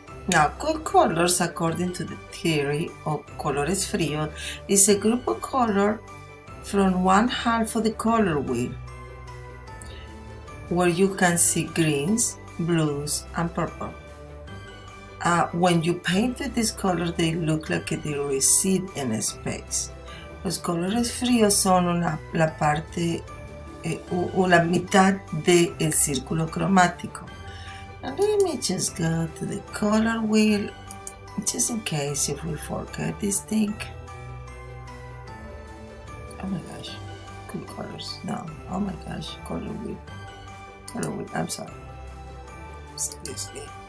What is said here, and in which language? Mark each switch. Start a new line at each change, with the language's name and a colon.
English: Now, cool colors, according to the theory of colores frío, is a group of color from one half of the color wheel, where you can see greens, blues, and purple. When you paint with this color, they look like they recede in a space.
Spanish: Los colores fríos son la parte o la mitad del círculo cromático.
English: And let me just go to the color wheel, just in case if we forget this thing. Oh my gosh, cool colors. No, oh my gosh, color wheel. Color wheel, I'm sorry. Seriously.